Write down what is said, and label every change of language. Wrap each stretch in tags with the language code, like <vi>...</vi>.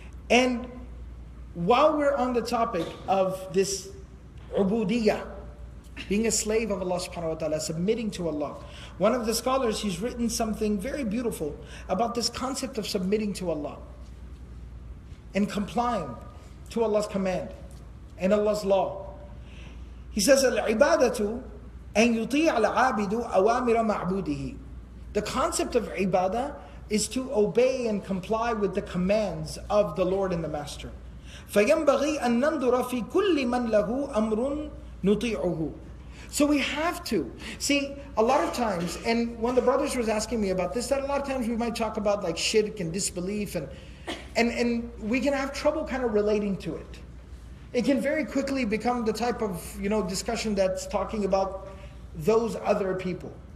<en>And while we're on the topic of this ubudiyah, being a slave of Allah subhanahu wa ta'ala, submitting to Allah, one of the scholars, he's written something very beautiful about this concept of submitting to Allah and complying to Allah's command and Allah's law. He says,</en> <ar>al-ibadatu an yuti'a al-'abidu awamira ma'budihi.</ar> <en>The concept of ibadah is to obey and comply with the commands of the Lord and the Master.</en> <ar>فَيَنْبَغِي أَن نَنْظُرَ فِي كُلِّ مَنْ لَهُ أَمْرٌ نُطِيعُهُ.</ar> <en>So we have to. See, a lot of times, and when the brothers was asking me about this, that a lot of times we might talk about like shirk and disbelief and we can have trouble kind of relating to it. It can very quickly become the type of, you know, discussion that's talking about those other people.</en>